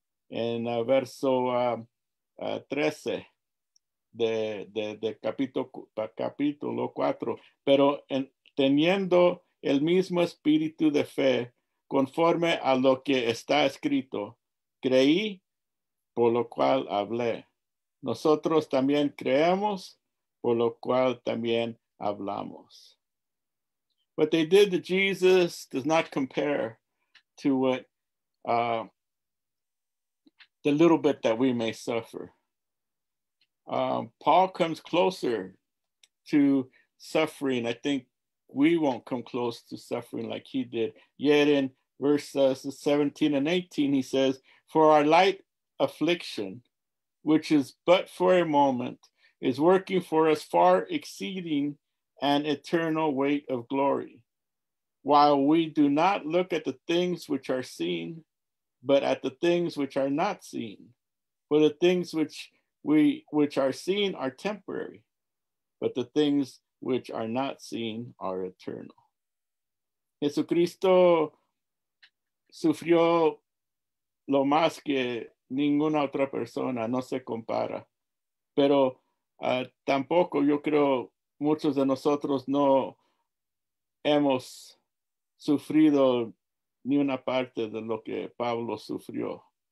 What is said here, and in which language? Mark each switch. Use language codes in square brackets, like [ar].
[es] En verso 13 de capítulo 4, pero teniendo el mismo espíritu de fe, conforme a lo que está escrito, creí, por lo cual hablé. Nosotros también creemos, por lo cual también hablamos. [en] What they did to Jesus does not compare to what the little bit that we may suffer. Paul comes closer to suffering. I think we won't come close to suffering like he did. Yet in verse 17 and 18, he says, "For our light affliction, which is but for a moment, is working for us far exceeding an eternal weight of glory. While we do not look at the things which are seen, but at the things which are not seen. For the things which are seen are temporary, but the things which are not seen are eternal." [es] Jesucristo sufrió lo más que ninguna otra persona, no se compara. Pero tampoco yo creo muchos de nosotros no hemos sufrido ni una parte de lo que Pablo sufrió.